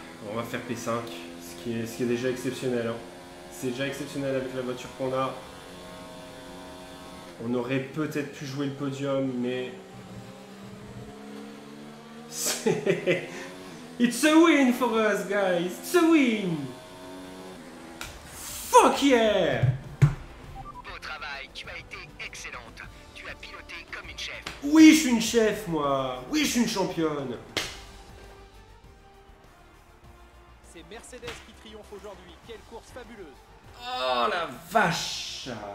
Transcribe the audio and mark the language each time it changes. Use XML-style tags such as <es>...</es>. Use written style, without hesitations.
<fr>On va faire P5, ce qui est déjà exceptionnel. Hein. C'est déjà exceptionnel avec la voiture qu'on a. On aurait peut-être pu jouer le podium, mais... C'est...</fr> <en>It's a win for us, guys! It's a win! Fuck! Rockier.</en> <fr>Beau travail, tu as été excellente. Tu as piloté comme une chef. Oui, je suis une chef, moi. Oui, je suis une championne. C'est Mercedes qui triomphe aujourd'hui. Quelle course fabuleuse. Oh, la vache.</fr>